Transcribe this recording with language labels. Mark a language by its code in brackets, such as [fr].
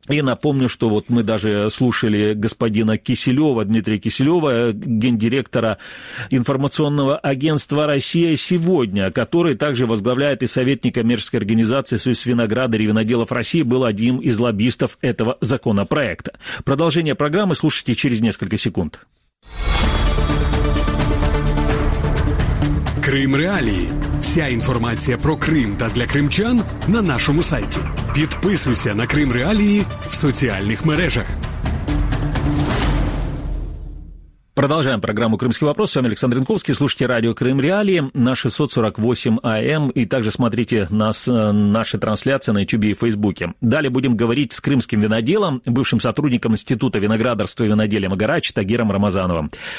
[ru] И напомню, что вот мы даже слушали господина Киселева, Дмитрия Киселева, гендиректора информационного агентства «Россия сегодня», который также возглавляет и совет некоммерческой организации «Союз винограда и виноделов России», был одним из лоббистов этого законопроекта. Продолжение программы слушайте через несколько секунд. [uk] Крым Реалії. Вся інформація про Крим та для кримчан на нашому сайті. Підписуйся на Крим Реалії в соціальних мережах. [ru] Продолжаем программу «Крымский вопрос». С вами Александр Янковский. Слушайте радио «Крым Реалии» на 648 АМ. И также смотрите нас, наши трансляции на YouTube и Фейсбуке. Далее будем говорить с крымским виноделом, бывшим сотрудником Института виноградарства и виноделия Магарач Тагиром Рамазановым.